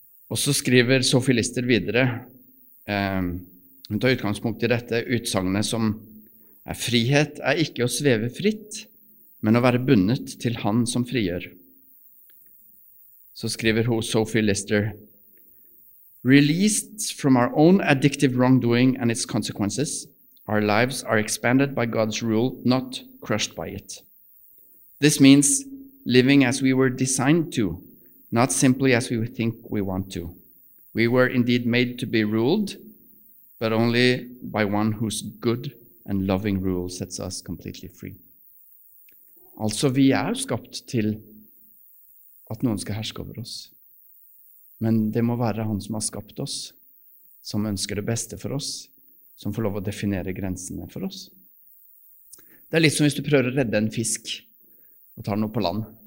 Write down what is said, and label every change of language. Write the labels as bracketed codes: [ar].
[no] Og så skriver Sophie Lister videre, hun tar utgangspunkt i dette utsagnet som er: frihet er ikke å sveve fritt, men å være bundet til han som frigjør. Så skriver hun, [en] Sophie Lister: released from our own addictive wrongdoing and its consequences, our lives are expanded by God's rule, not crushed by it. This means living as we were designed to, not simply as we think we want to. We were indeed made to be ruled, but only by one whose good and loving rule sets us completely free. [no] Altså, vi er skapt til at noen skal herske over oss. Men det må være han som har skapt oss, som ønsker det beste for oss, som får lov å definere grensene for oss. Det er litt som hvis du prøver å redde en fisk og tar den opp på land.